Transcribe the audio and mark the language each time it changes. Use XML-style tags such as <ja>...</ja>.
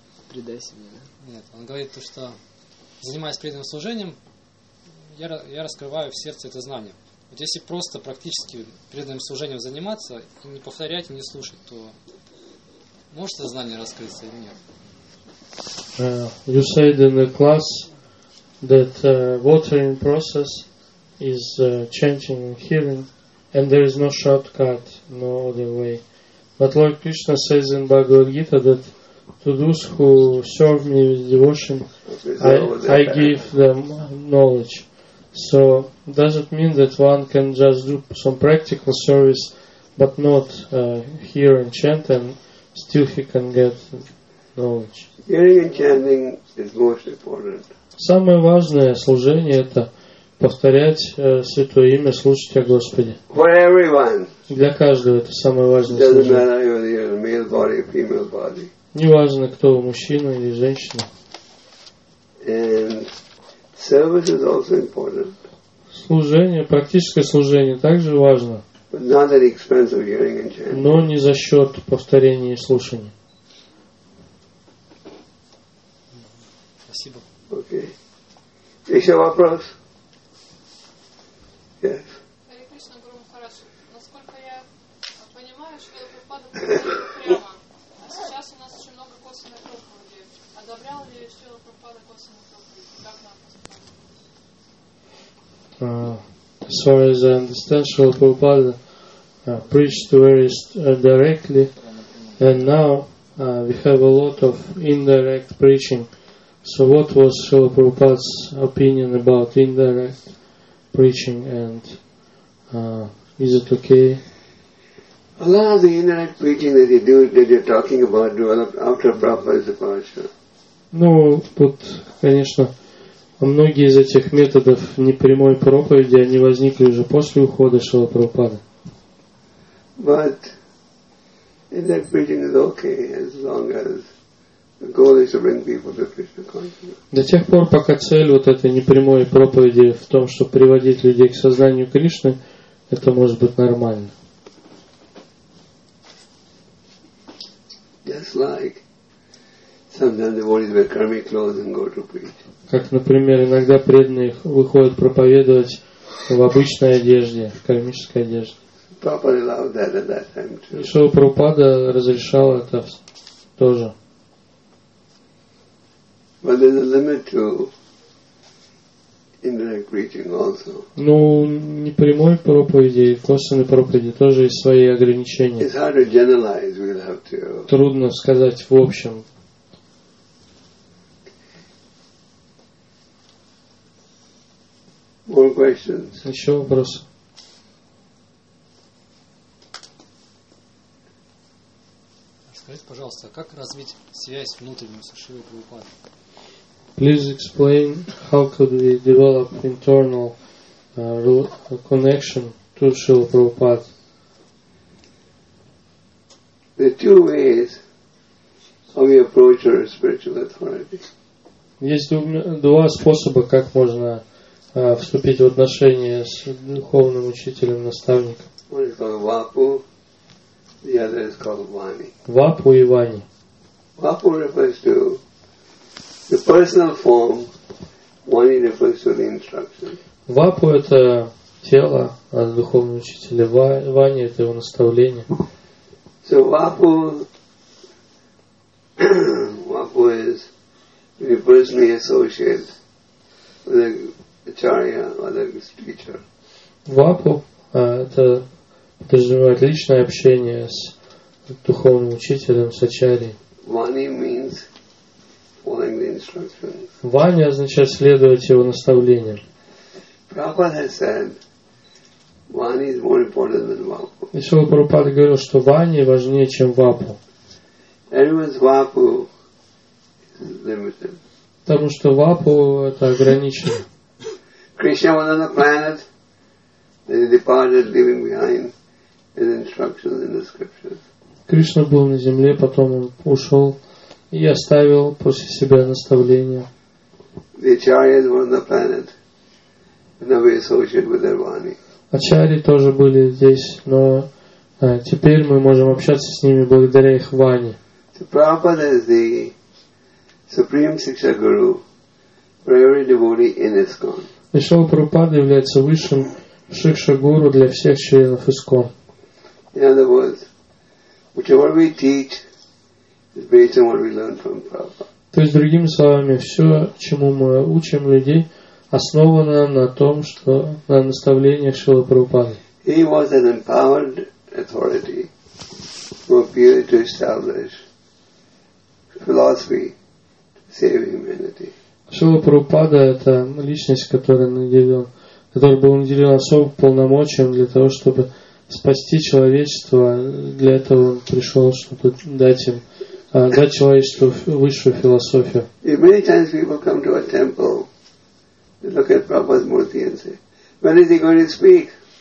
<ru>предай себе, да? Нет, он говорит то, что занимаясь преданным служением, я раскрываю в сердце это знание. Вот если просто практически преданным служением заниматься, и не повторять, и не слушать, то может это знание раскрыться или нет?</ru> <en>You said in the class that watering process is chanting and hearing, and there is no shortcut, no other way. But Lord Krishna says in Bhagavad Gita that to those who serve me with devotion, I give them knowledge. So does it mean that one can just do some practical service but not hear and chant and still he can get knowledge? Hearing and chanting is most important.</en> <ru>Самое важное служение – это повторять Святое Имя, слушать о Господе.</ru> <en>For everyone.</en> <ru>Для каждого это самое важное служение.</ru> <en>matter whether you're a male body or female body.</en> <ru>Не важно, кто вы, мужчина или женщина.</ru> <en>And service is also important.</en> <ru>Служение, практическое служение также важно.</ru> <en>But not at the expense of hearing and chanting.</en> <ru>Но не за счет повторения и слушания. Спасибо. Okay. Еще вопрос?</ru> <en>Yes.</en> <ru>Харе Кришна, Гуру Махарадж. Насколько я понимаю, что это Прабхупада прямо. А сейчас у нас очень много косвенных проповедей. Одобрял ли Шрила Прабхупада косвенные проповеди? Как надо?</ru> <en>As far as I understand, Srila Prabhupada preached very directly, and now we have a lot of indirect preaching. So what was Srila Prabhupada's opinion about indirect preaching, and is it okay? A lot of the indirect preaching that you do, that you're talking about, developed after Prabhupada's departure.</en> <ru>Ну, тут, конечно, а многие из этих методов непрямой проповеди, они возникли уже после ухода Шрила Прабхупады.</ru> <en>But in that preaching is okay as long as the goal is to bring people to Krishna consciousness.</en> <ru>До тех пор, пока цель вот этой непрямой проповеди в том, чтобы приводить людей к сознанию Кришны, это может быть нормально.</ru> <en>Just like Sometimes devotees wear karmic clothes and go to preach.</en> <ru>Как, например, иногда преданные выходят проповедовать в обычной одежде, в кармической одежде.</ru> <en>Prabhupada allowed that at that time too.</en> <ru>Шрила Прабхупада разрешал это тоже.</ru> <en>But there's a limit to indirect preaching also.</en> <ru>Ну, не прямой проповеди, и косвенной проповеди тоже есть свои ограничения.</ru> <en>It's hard to generalize. We'll have to.</en> <ru>Трудно сказать в общем.</ru> <en>More questions.</en> <ru>Еще вопрос. Скажите, пожалуйста, как развить связь внутреннюю со Шрилой Прабхупадой?</ru> <en>Please explain how could we develop internal connection to Srila Prabhupada. There are two ways how we approach our spiritual authority.</en> <ru>Есть два способа, как можно вступить в отношения с духовным учителем, наставником.</ru> <en>One is called Vapu, the other is called Vani.</en> <ru>Vapu и Vani.</ru> <en>Vapu refers to the personal form, Vani refers to the instruction.</en> <ru>Vapu – это тело, а духовный учитель Vani – это его наставление.</ru> <en>So Vapu, Vapu is when you personally associate with the acharya or the teacher.</en> <ru>Vapu – это подразумевает личное общение с духовным учителем, с ачарьей.</ru> <en>Vani means following the instructions.</en> <ru>Vani означает следовать его наставлениям.</ru> <en>Prabhupada has said Vani is more important than Vapu.</en> <ru>И Шрила Прабхупада говорил, что Vani важнее, чем Vapu.</ru> <en>Everyone's Vapu is limited.</en> <ru>Потому что Vapu это ограничено.</ru> <en>Krishna was on the planet and he departed leaving behind his instructions in the scriptures.</en> <ru>Кришна был на земле, потом он ушел и оставил после себя наставления.</ru> <en>The acharyas were on the planet, and now we associate with their Vani.</en> <ru>Ачарьи тоже были здесь, но теперь мы можем общаться с ними благодаря их Вани.</ru> <en>So Prabhupada is the supreme Siksha Guru for every devotee in ISKCON.</en> <ru>И Шрила Прабхупада является высшим Шикша Гуру для всех членов ИСКОН.</ru> <en>In other words, whichever we teach is based on what we learn from Prabhupada.</en> <ru>То есть, другими словами, все, чему мы учим людей, основано на том, что на наставлениях Шрилы Прабхупады.</ru> <en>He was an empowered authority who appeared to establish philosophy to save humanity.</en> <ru>Шрила Прабхупада – это личность, который был наделен особым полномочием для того, чтобы спасти человечество. Для этого он пришел, чтобы дать человечеству высшую философию. И</ru> <en>many times people come to a temple, they look at Prabhupada's murti and say, when is he going to speak?</en>